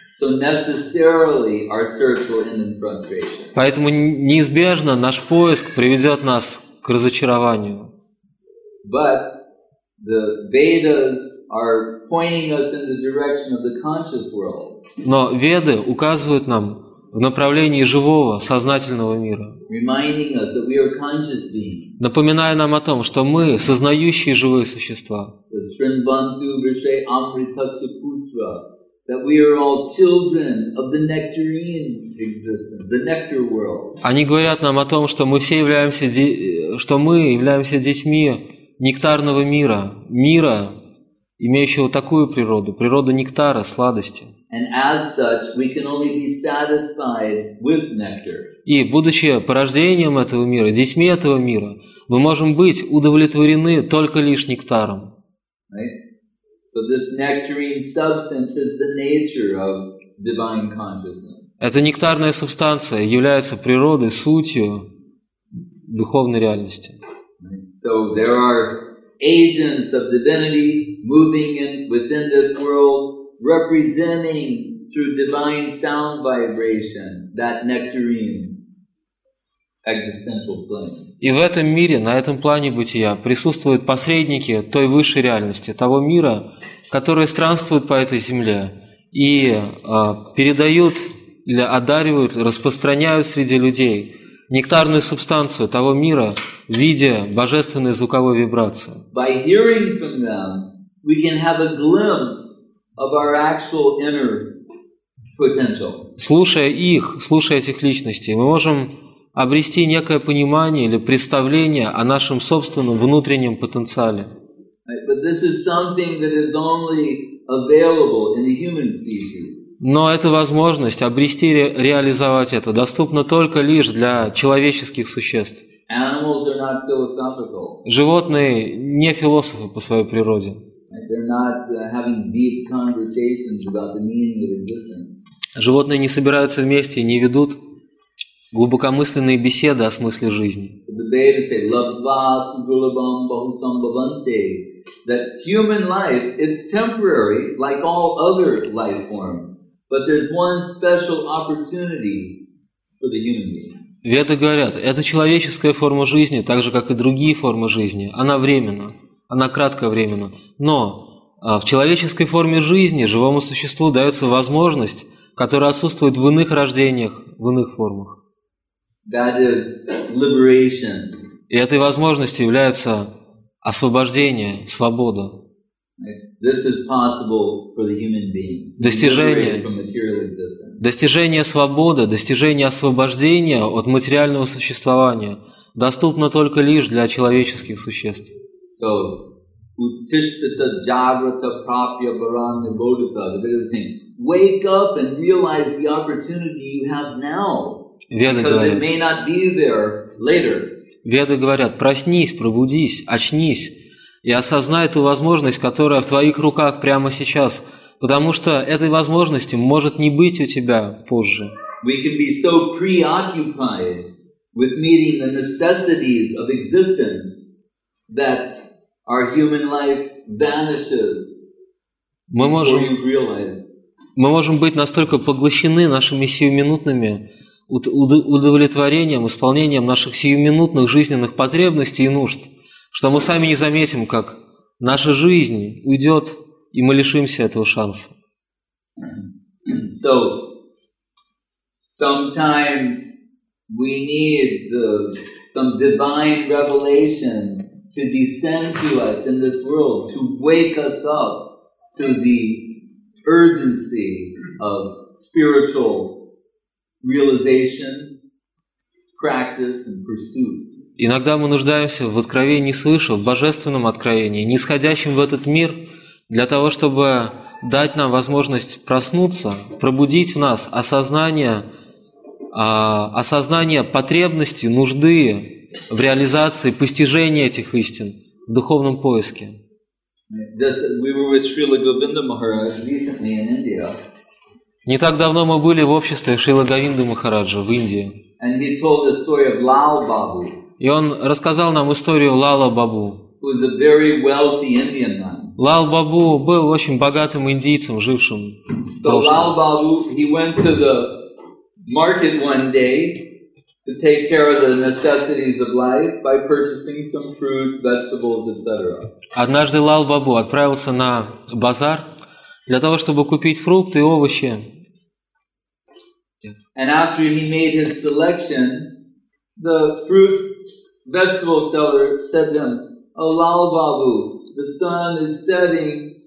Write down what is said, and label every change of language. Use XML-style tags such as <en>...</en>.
<en>So necessarily our search will end in frustration.</en> <ru>Поэтому неизбежно наш поиск приведет нас к разочарованию.</ru> <en>But the Vedas are pointing us in the direction of the conscious world.</en> <ru>Но Веды указывают нам в направлении живого, сознательного мира.</ru> <en>Reminding us that we are conscious beings.</en> <ru>Напоминая нам о том, что мы сознающие живые существа.</ru> <sa>Srinbantu Vrishe Amrita Suputra.</sa> <en>That we are all children of the nectarine existence, the nectar world.</en> <ru>Они говорят нам о том, что мы все являемся, что мы являемся детьми нектарного мира, мира, имеющего такую природу, природу нектара, сладости.</ru> <en>And as such, we can only be satisfied with nectar.</en> <ru>И, будучи порождением этого мира, детьми этого мира, мы можем быть удовлетворены только лишь нектаром.</ru> <en>Right? So this nectarine substance is the nature of divine consciousness.</en> <ru>Эта нектарная субстанция является природой, сутью духовной реальности.</ru> <en>So there are agents of divinity moving in within this world, representing through divine sound vibration that nectarine existential plane.</en> <ru>И в этом мире, на этом плане бытия, присутствуют посредники той высшей реальности, того мира, которые странствуют по этой земле и передают или одаривают, распространяют среди людей нектарную субстанцию того мира в виде божественной звуковой вибрации.</ru> <en>By hearing from them, we can have a glimpse of our actual inner potential.</en> <ru>Слушая их, слушая этих личностей, мы можем обрести некое понимание или представление о нашем собственном внутреннем потенциале.</ru> <en>But this is something that is only available in the human species.</en> <ru>Но эта возможность обрести, реализовать это, доступна только лишь для человеческих существ.</ru> <en>Animals are not philosophical.</en> <ru>Животные не философы по своей природе.</ru> <en>They're not having deep conversations about the meaning of existence.</en> <ru>Животные не собираются вместе и не ведут глубокомысленные беседы о смысле жизни.</ru> <en>The Vedas say,</en> <sa>"Lava sugulabam bahusambhavante."</sa> <en>That human life is temporary, like all other life forms. But there's one special opportunity for the human being.</en> <ru>Веды говорят, эта человеческая форма жизни, так же, как и другие формы жизни, она временна, она кратковременна. Но в человеческой форме жизни живому существу дается возможность, которая отсутствует в иных рождениях, в иных формах.</ru> <en>That is liberation.</en> <ru>И этой возможностью является освобождение, свобода.</ru> <en>This is possible for the human being.</en> <ru>Достижение. Достижение свободы, достижение освобождения от материального существования доступно только лишь для человеческих существ.</ru> <sa>So, utishtita jagrata prapya varan nibodhita.</sa> <en>The Veda is saying, wake up and realize the opportunity you have now. Because it may not be there later.</en> <ru>Веды говорят, проснись, пробудись, очнись и осознай ту возможность, которая в твоих руках прямо сейчас, потому что этой возможности может не быть у тебя позже.</ru> <en>We can be so preoccupied with meeting the necessities of existence that our human life vanishes before you realize.</en> <ru>Мы можем быть настолько поглощены нашими сиюминутными удовлетворением, исполнением наших сиюминутных жизненных потребностей и нужд, что мы сами не заметим, как наша жизнь уйдет, и мы лишимся этого шанса.</ru> <en>So, sometimes we need some divine revelation to descend to us in this world, to wake us up to the urgency of spiritual realization, practice, and pursuit.</en> <ru>Иногда мы нуждаемся в откровении свыше, в божественном откровении, нисходящем в этот мир, для того, чтобы дать нам возможность проснуться, пробудить в нас осознание потребности, нужды в реализации, постижении этих истин, в духовном поиске.</ru> <en>We were with Srila Govinda Maharaj recently in India.</en> <ru>Не так давно мы были в обществе Шрилы Говинды Махараджа в Индии.</ru> <en>And he told the story of Lal Babu,</en> <ru>и он рассказал нам историю Лала Бабу.</ru> <en>Who is a very wealthy Indian man.</en> <ru>Лал Бабу был очень богатым индийцем, жившим в прошлом.</ru> <en>So Lal Babu, he went to the market one day to take care of the necessities of life by purchasing some fruits, vegetables, etc.</en> <ru>Однажды Лал Бабу отправился на базар для того, чтобы купить фрукты и овощи.</ru> <en>Yes. And after he made his selection, the fruit vegetable seller said to him, "Oh, Lal Babu, the sun is setting.</en>